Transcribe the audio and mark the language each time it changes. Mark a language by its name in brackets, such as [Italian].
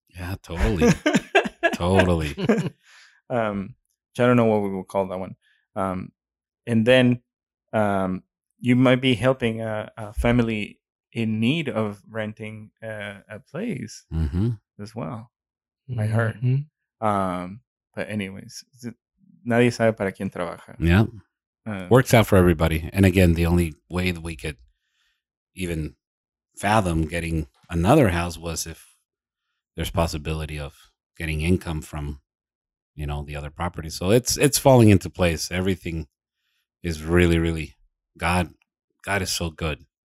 [English] Yeah, totally. Totally. Which I don't know what we will call that one. And then you might be helping a family in need of renting a place as well. Mm-hmm. I heard. But anyways, [Spanish] nadie sabe para quien trabaja. [English] Yeah. Works out for everybody. And again, the only way that we could even fathom getting another house was if there's possibility of getting income from, you know, the other property. So it's falling into place. Everything is really, really God is so good.